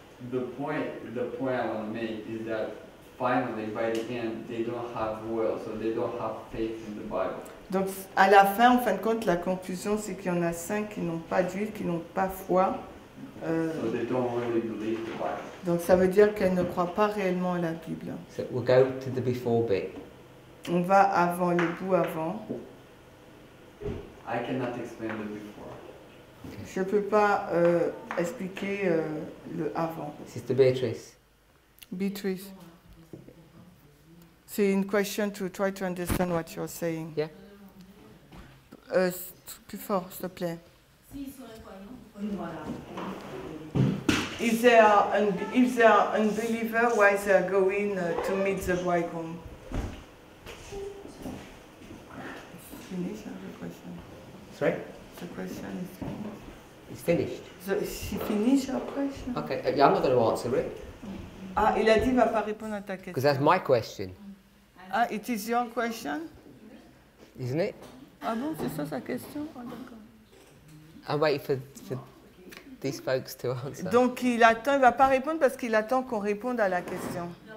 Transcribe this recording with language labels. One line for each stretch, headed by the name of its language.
English: The point I want to make is that finally by the end they don't have will, so they don't have faith in the Bible.
French: Donc à la fin, en fin de compte, la conclusion c'est qu'il y en a cinq qui n'ont pas d'huile, qui n'ont pas foi.
English: So they don't really believe the Bible.
French: Donc ça veut dire qu'elle ne croit pas réellement à la Bible.
English: So we'll go to the before bit.
French: On va avant le bout avant.
English: I cannot explain the before. Okay.
French: Je peux pas expliquer le avant.
English: Sister Beatrice. Beatrice.
French: C'est une question
English: to try to understand what you're saying. Yeah.
French: Plus fort, s'il te plaît.
English: If there are unbelievers, why they are going to meet the bridegroom? Finish the question. Sorry? The question is finished. It's finished. So she finished her question. Okay, yeah, I'm not going to answer it.
French: Ah, il a dit va pas répondre à ta question.
English: Because that's my question. Ah, it is your question. Isn't it?
French: Ah bon, c'est ça sa question.
English: I'm waiting for these folks to answer.
French: Donc il attend, il va pas répondre parce qu'il attend qu'on réponde à la question.